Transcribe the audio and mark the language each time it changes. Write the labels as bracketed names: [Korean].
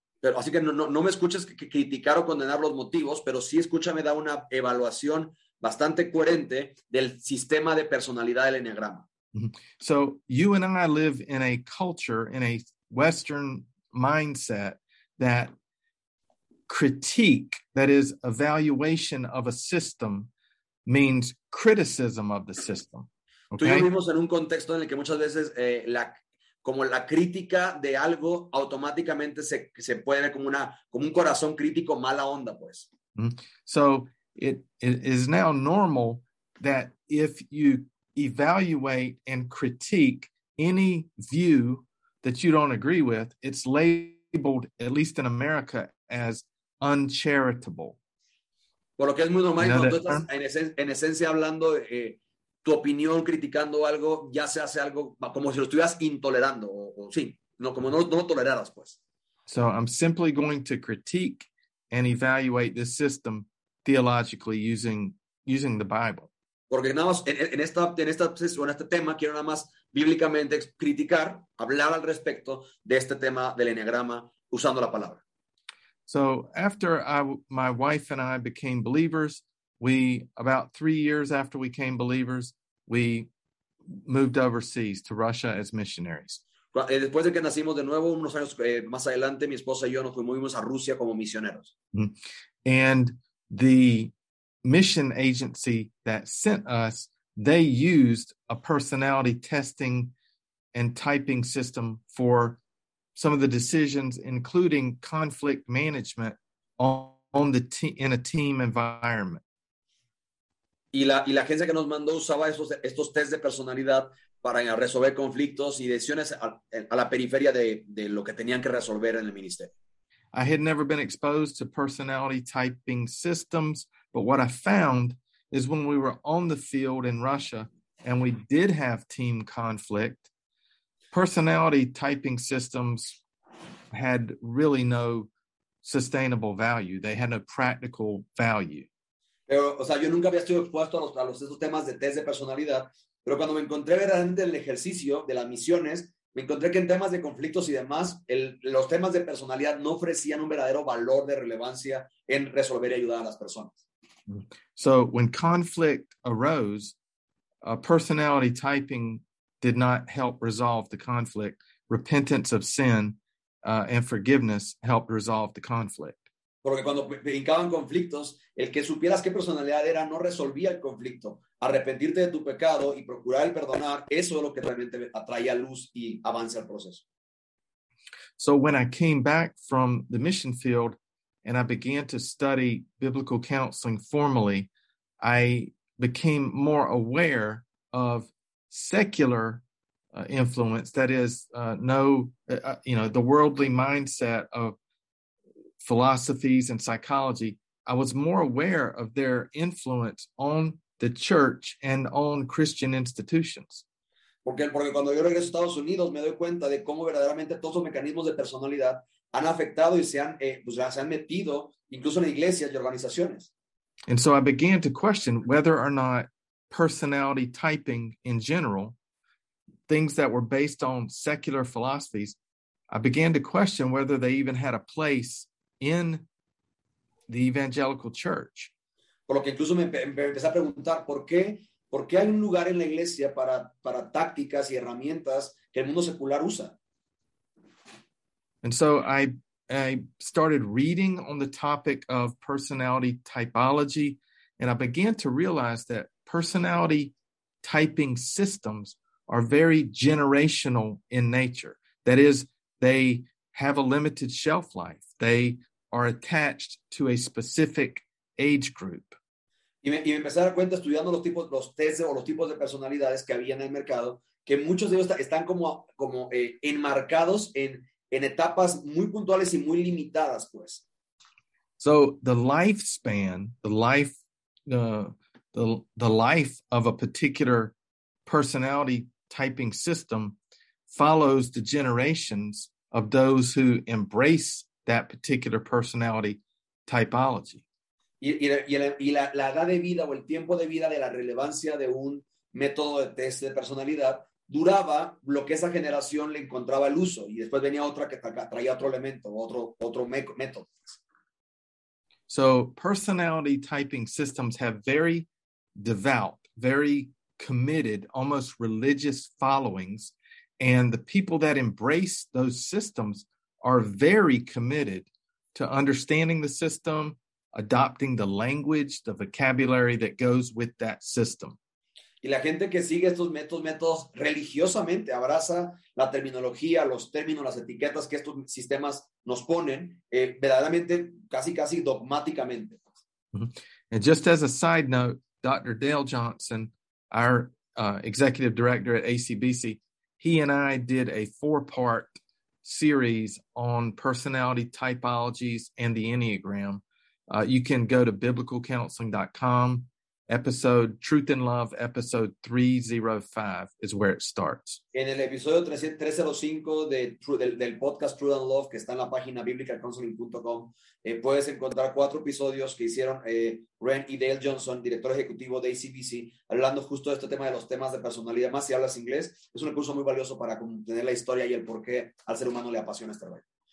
[Spanish] Pero así que no me escuches criticar o condenar los motivos, pero sí escúchame dar una evaluación bastante coherente del sistema de personalidad del Enneagrama. [English] So you and I live in a culture, in a Western mindset that critique, that is evaluation of a system, means criticism of the system. [Spanish] Okay? Tú y yo vivimos en un contexto en el que muchas veces la crítica de algo automáticamente se puede ver como un corazón crítico mala onda, pues. [English] So it is now normal that if you evaluate and critique any view that you don't agree with, it's labeled, at least in America, as uncharitable. [Spanish] Por lo que es muy normal, cuando tú estás en esencia hablando tu opinión, criticando algo, ya se hace algo como si lo estuvieras intolerando, no lo toleraras, pues. [English] So I'm simply going to critique and evaluate this system theologically using the Bible. [Spanish] Porque nada más, en este tema, quiero nada más bíblicamente criticar, hablar al respecto de este tema del Enneagrama usando la palabra. [English] So after my wife and I became believers, we, about 3 years after we became believers, we moved overseas to Russia as missionaries. [Spanish] Después de que nacimos de nuevo, unos años más adelante, mi esposa y yo nos fuimos a Rusia como misioneros. [English] And the mission agency that sent us, they used a personality testing and typing system for some of the decisions, including conflict management in a team environment. [Spanish] Y la agencia que nos mandó usaba estos test de personalidad para resolver conflictos y decisiones a la periferia de lo que tenían que resolver en el ministerio. [English] I had never been exposed to personality typing systems, but what I found is when we were on the field in Russia and we did have team conflict, personality typing systems had really no sustainable value. They had no practical value. [Spanish] Pero, o sea, yo nunca había sido expuesto a los esos temas de test de personalidad, pero cuando me encontré verdaderamente en el ejercicio de las misiones, me encontré que en temas de conflictos y demás, los temas de personalidad no ofrecían un verdadero valor de relevancia en resolver y ayudar a las personas. [English] So when conflict arose, personality typing did not help resolve the conflict. Repentance of sin and forgiveness helped resolve the conflict. [Spanish] Porque cuando brincaban conflictos, el que supieras qué personalidad era no resolvía el conflicto. Arrepentirte de tu pecado y procurar el perdonar, eso es lo que realmente atraía luz y avance al proceso. [English] So when I came back from the mission field and I began to study biblical counseling formally, I became more aware of secular influence, that is, the worldly mindset of philosophies and psychology. I was more aware of their influence on the church and on Christian institutions. [Spanish] Porque cuando yo regreso a Estados Unidos, me doy cuenta de cómo verdaderamente todos los mecanismos de personalidad han afectado y se han metido incluso en iglesias y organizaciones. [English] And so I began to question whether or not personality typing in general, things that were based on secular philosophies, I began to question whether they even had a place in the evangelical church. [Spanish] Por lo que incluso me empecé a preguntar por qué hay un lugar en la iglesia para tácticas y herramientas que el mundo secular usa. [English] And so I started reading on the topic of personality typology, and I began to realize that personality typing systems are very generational in nature. That is, they have a limited shelf life. They are attached to a specific age group. [Spanish] Y me empecé a dar cuenta estudiando los tipos de personalidades que había en el mercado, que muchos de ellos están como enmarcados en etapas muy puntuales y muy limitadas, pues. [English] So the lifespan, the life of a particular personality typing system follows the generations of those who embrace that particular personality typology. [Spanish] Y la edad de vida o el tiempo de vida de la relevancia de un método de test de personalidad duraba lo que esa generación le encontraba el uso, y después venía otra que traía otro elemento, otro método. [English] So personality typing systems have very devout, very committed, almost religious followings, and the people that embrace those systems are very committed to understanding the system, adopting the language, the vocabulary that goes with that system. [Spanish] Y la gente que sigue estos métodos religiosamente abraza la terminología, los términos, las etiquetas que estos sistemas nos ponen, verdaderamente, casi casi dogmáticamente. [English] Mm-hmm. And just as a side note, Dr. Dale Johnson, our executive director at ACBC, he and I did a 4-part series on personality typologies and the Enneagram. You can go to biblicalcounseling.com. Episode Truth and Love, episode 305 is where it starts. [Spanish] En el episodio 305 del podcast Truth and Love, que está en la página biblicalcounseling.com, puedes encontrar 4 episodios que hicieron Ren y Dale Johnson, director ejecutivo de ACBC, hablando justo de este tema de los temas de personalidad, más si hablas inglés. Es un recurso muy valioso para tener la historia y el por qué al ser humano le apasiona este rollo.